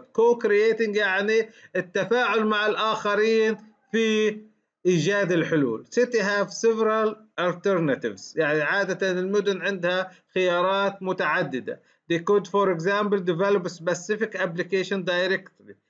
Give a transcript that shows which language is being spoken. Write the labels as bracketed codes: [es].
[ar] Co-creating يعني التفاعل مع الاخرين في إيجاد الحلول. [en] City have several alternatives. [ar] يعني عادة المدن عندها خيارات متعددة. [en] They could for example develop specific application directly.